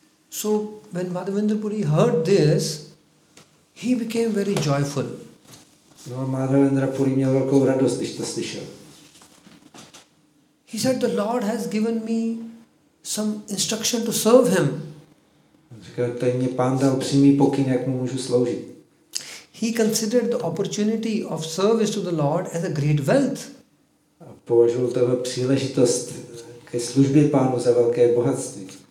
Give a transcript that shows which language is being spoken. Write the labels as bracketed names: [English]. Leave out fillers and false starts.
[English] So when Madhavendra Puri heard this, he became very joyful. [Czech] No, Madhavendra Puri měl velkou radost, když to slyšel. [English] He said, the Lord has given me some instruction to serve him. [Czech] Říkal, tady mě pán dal přímý pokyn, jak mu můžu sloužit. [English] He considered the opportunity of service to the Lord as a great wealth. [Czech] A považoval toho příležitost ke službě pánu za velké bohatství.